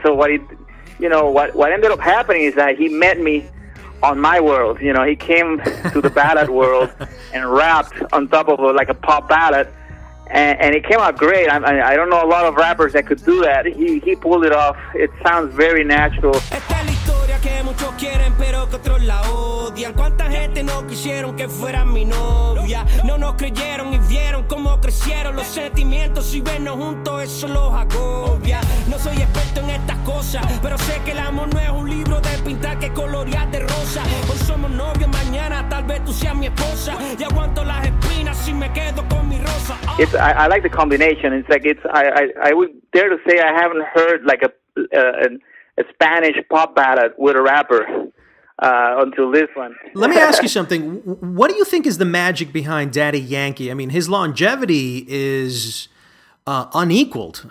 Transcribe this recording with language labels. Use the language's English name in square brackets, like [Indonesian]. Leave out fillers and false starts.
[English] So what ended up happening is that he met me on my world. You know, he came to the ballad world and rapped on top of like a pop ballad, and it came out great. I don't know a lot of rappers that could do that. He pulled it off. It sounds very natural. [Spanish] Muchos quieren, pero que otros la odian. Cuánta gente no quisieron que fuera mi novia. No nos creyeron y vieron cómo crecieron los sentimientos. Si vernos juntos, eso los agobia. No soy experto en estas cosas, pero sé que el amor no es un libro de pintar que colorear de rosa. Hoy somos novios, mañana tal vez tú seas mi esposa. Y aguanto las espinas si me quedo con mi rosa. [English] I like the combination. It's like I would dare to say I haven't heard like a Spanish pop ballad with a rapper until this one. Let me ask you something. What do you think is the magic behind Daddy Yankee? I mean, his longevity is unequaled.